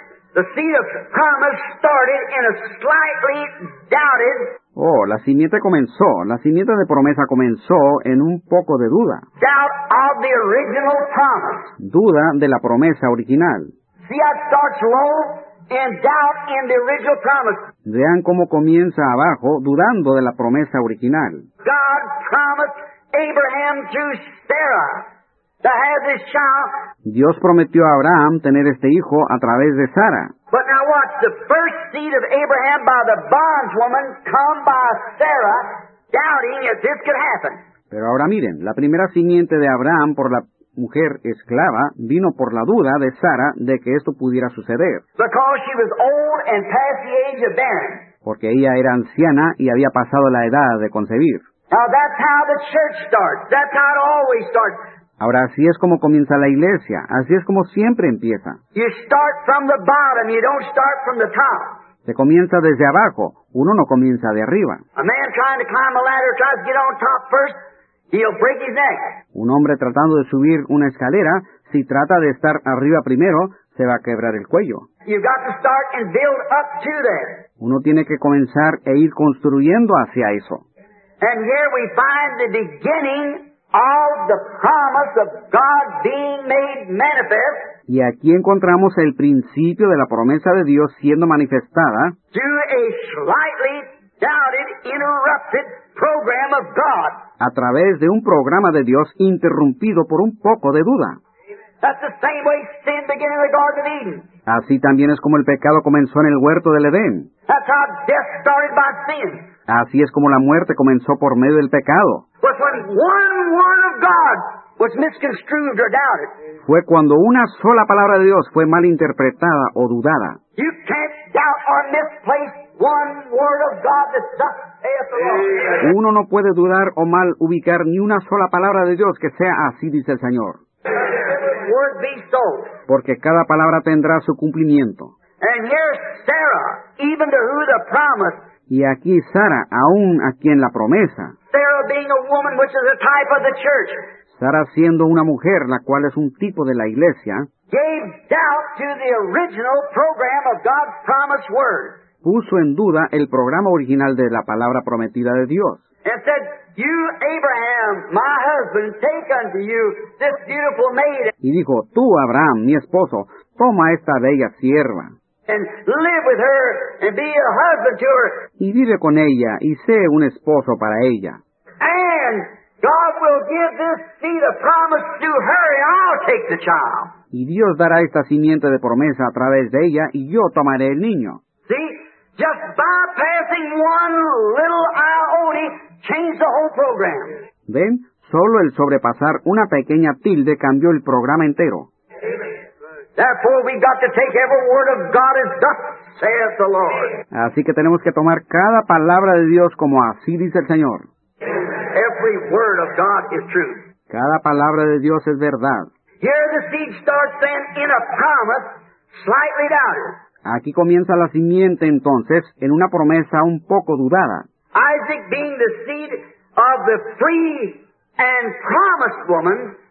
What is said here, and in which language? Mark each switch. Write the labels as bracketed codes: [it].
[en] The seed of promise started in a slightly doubted. [es] Oh, la simiente comenzó. La simiente de promesa comenzó en un poco de duda. [en] Doubt of the original promise. [es] Duda de la promesa original. [en] See how it starts low and doubt in the original promise. [es] Vean cómo comienza abajo, dudando de la promesa original. [en] God promised Abraham through Sarah. To have this child. [es] Dios prometió a Abraham tener este hijo a través de Sara. [en] But now watch, the first seed of Abraham by the bondwoman come by Sarah, doubting if this could happen. [es] Pero ahora miren, la primera simiente de Abraham por la mujer esclava vino por la duda de Sara de que esto pudiera suceder. [en] Because she was old and past the age of barren. [es] Porque ella era anciana y había pasado la edad de concebir. [en] Now that's how the church starts. That's how it always starts. [es] Ahora, así es como comienza la iglesia. Así es como siempre empieza. [en] You start from the bottom, you don't start from the top. [es] Se comienza desde abajo. Uno no comienza de arriba. [en] A man trying to climb a ladder, tries to get on top first, he'll break his neck. [es] Un hombre tratando de subir una escalera, si trata de estar arriba primero, se va a quebrar el cuello. [en] You've got to start and build up to that. [es] Uno tiene que comenzar e ir construyendo hacia eso. [en] And here we find the beginning of the promise of God being made manifest. [es] Y aquí encontramos el principio de la promesa de Dios siendo manifestada. [en] Through a slightly doubted, interrupted program of God. [es] A través de un programa de Dios interrumpido por un poco de duda. [en] That's the same way sin began in the Garden of Eden. [es] Así también es como el pecado comenzó en el huerto del Edén. [en] That's how death started by sin. [es] Así es como la muerte comenzó por medio del pecado. [en] But when one word of God was misconstrued or doubted. [es] Fue cuando una sola palabra de Dios fue malinterpretada o dudada. [en] You can't doubt or misplace one word of God that thus saith the Lord. [es] Uno no puede dudar o mal ubicar ni una sola palabra de Dios que sea así, dice el Señor. [en] word be so. [es] Porque cada palabra tendrá su cumplimiento. [en] And here Sarah, even to who the promise. [es] Y aquí Sara, aún a quien la promesa. [en] Sarah being a woman, which is a type of the church. [es] Sara siendo una mujer, la cual es un tipo de la iglesia. [en] Gave doubt to the original program of God's promised word. [es] Puso en duda el programa original de la palabra prometida de Dios. [en] And said, you, Abraham, my husband, take unto you this beautiful maid. [es] Y dijo, tú, Abraham, mi esposo, toma esta bella sierva. [en] And live with her and be a husband to her. [es] Y vive con ella y sé un esposo para ella. [en] And God will give this seed of promise to her and I'll take the child. [es] Y Dios dará esta simiente de promesa a través de ella y yo tomaré el niño. [en] See, just bypassing one little iota changed the whole program. [es] Ven, solo el sobrepasar una pequeña tilde cambió el programa entero. [en] Therefore, we got to take every word of God as thus saith the Lord. [es] Así que tenemos que tomar cada palabra de Dios como así dice el Señor. [en] Every word of God is true. [es] Cada palabra de Dios es verdad. [en] Here the seed starts then in a promise, slightly doubted. [es] Aquí comienza la simiente entonces en una promesa un poco dudada. [en] Isaac being the seed of the free and promised woman.